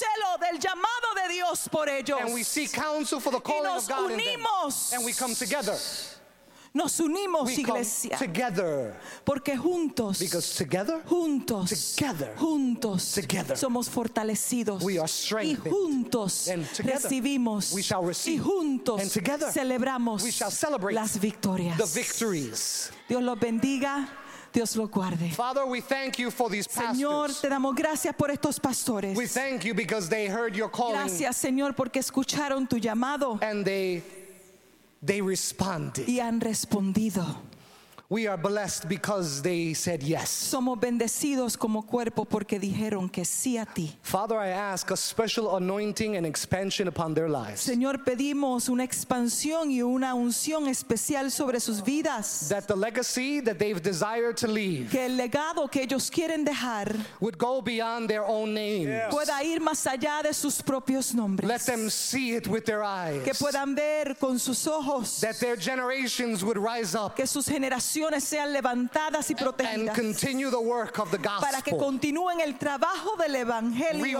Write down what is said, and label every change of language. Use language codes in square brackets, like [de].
[es] Y vivimos con celo del llamado de Dios por ellos. [en] And we seek counsel for the calling of God in them. [es] Y nos unimos. [en] And we come together. [es] Nos unimos, iglesia. [en] Together. [es] Porque juntos. [en] Because together. [es] Juntos. [en] Together. [es] Juntos. [en] Together. [es] Somos fortalecidos. [en] We are strengthened. [es] Y juntos. [en] And together. [es] Recibimos. [en] We shall receive. [es] Y juntos. [en] And together. [es] Celebramos. [en] We shall celebrate. [es] Las victorias. [en] The victories. [es] Dios los bendiga. Dios lo guarde. [en] Father, we thank you for these pastors. [es] Señor, te damos gracias por estos pastores. [en] We thank you because they heard your calling. [es] Gracias, Señor, porque escucharon tu llamado. [en] And they responded. [es] Y han respondido. [en] We are blessed because they said yes. [es] Somos bendecidos como cuerpo porque dijeron que sí a ti. [en] Father, I ask a special anointing and expansion upon their lives. [es] Señor, pedimos una expansión y una unción especial sobre sus vidas. [en] That the legacy that they've desired to leave, [es] que el legado que ellos quieren dejar, [en] would go beyond their own names. Yes. [es] Pueda ir más allá de sus propios nombres. [en] Let them see it with their eyes. [es] Que puedan ver con sus ojos. [en] That their generations would rise up. [es] Que sus generaciones sean levantadas y protegidas, [en] and continue the work of the gospel. [es] Para que continúen el trabajo del evangelio.